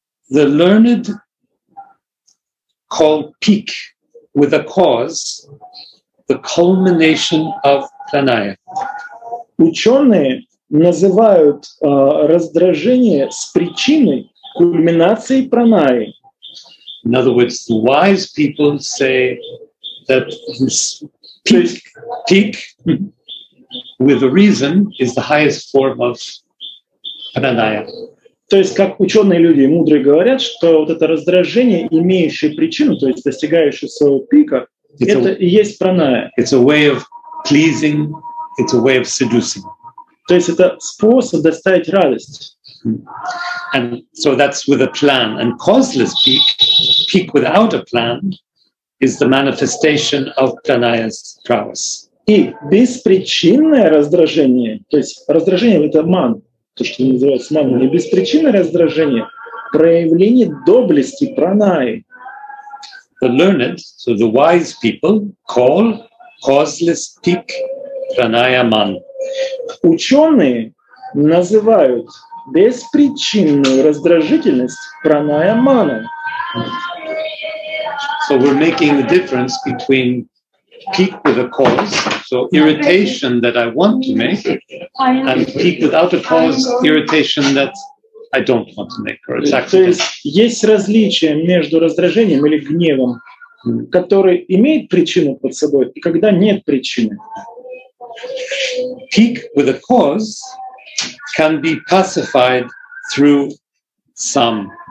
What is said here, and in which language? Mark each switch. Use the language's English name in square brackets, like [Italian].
[English] The learned call peak with a cause the culmination of pranaya. [Russian] Ученые называют раздражение с причиной кульминацией пранаи. [English] In other words, the wise people say that this peak with a reason is the highest form of pranaya. [Russian] То есть, как ученые люди и мудрые говорят, что вот это раздражение, имеющее причину, то есть достигающее своего пика, это и есть праная. [English] It's a way of pleasing, it's a way of seducing. [Russian] То есть это способ доставить радость. [English] And so that's with a plan. And causeless peak, peak without a plan, is the manifestation of pranaya's prowess. [Russian] И беспричинное раздражение, то есть раздражение — это ман, то, что называется ман, не беспричинное раздражение, проявление доблести пранаи. [English] The learned, so the wise people, call causeless peak pranaya man. [Russian] Ученые называют беспричинную раздражительность праная мана. [English] So we're making the difference between peak with a cause, so irritation that I want to make, and peak without a cause, irritation that I don't want to make. Or [Russian] то есть есть различие между раздражением или гневом, который имеет причину под собой, и когда нет причины. [English] Peak with a cause can be pacified through some.